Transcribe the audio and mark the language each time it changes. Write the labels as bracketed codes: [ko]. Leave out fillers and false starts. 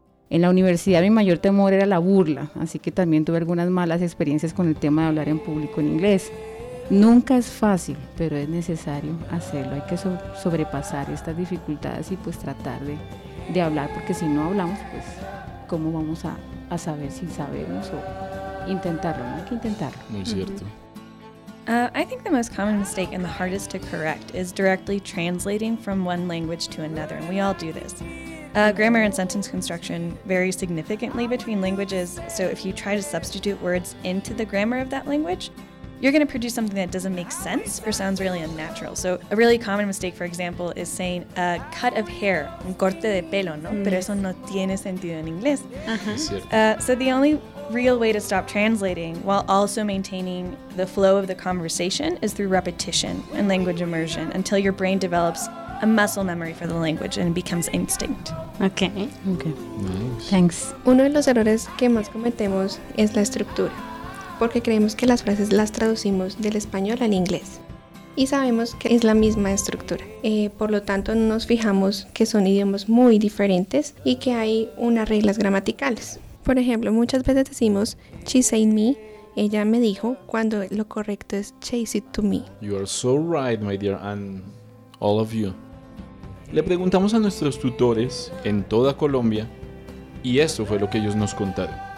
[es] En la universidad mi mayor temor era la burla, así que también tuve algunas malas experiencias con el tema de hablar en público en inglés. Nunca es fácil, pero es necesario hacerlo. Hay que sobrepasar estas dificultades y pues tratar de hablar, porque si no hablamos, pues ¿cómo vamos a saber si sabemos o intentarlo? No hay que intentarlo. Muy cierto. [en] I think the most common mistake and the hardest to correct is directly translating from one language to another, and we all do this. Grammar and sentence construction vary significantly between languages, so if you try to substitute words into the grammar of that language, you're going to produce something that doesn't make sense or sounds really unnatural. So a really common mistake, for example, is saying a cut of hair, [es] un corte de pelo, ¿no? [en] Mm-hmm. [es] Pero eso no tiene sentido en inglés. [en] So the only real way to stop translating while also maintaining the flow of the conversation is through repetition and language immersion until your brain develops a muscle memory for the language and becomes instinct. Okay. Nice. Thanks. [es] Uno de los errores que más cometemos es la estructura, porque creemos que las frases las traducimos del español al inglés y sabemos que es la misma estructura. Por lo tanto, nos fijamos que son idiomas muy diferentes y que hay unas reglas gramaticales. Por ejemplo, muchas veces decimos [en] she said me, [es] ella me dijo, cuando lo correcto es [en] she said to me. You are so right, my dear, and all of you. [es] Le preguntamos a nuestros tutores en toda Colombia y esto fue lo que ellos nos contaron.